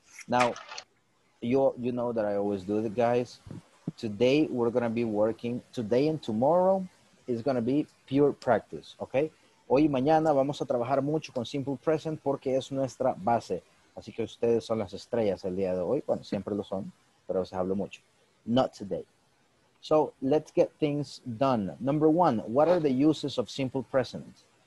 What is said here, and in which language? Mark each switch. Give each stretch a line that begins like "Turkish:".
English: Now, you know that I always do that, guys. Today, we're going to be working. Today and tomorrow is going to be pure practice, okay?
Spanish: Hoy y mañana vamos a trabajar mucho con Simple Present porque es nuestra base. Así que ustedes son las estrellas el día de hoy. Bueno, siempre lo son, pero se habló mucho.
English: Not today. So, let's get things done. Number one, what are the uses of Simple Present?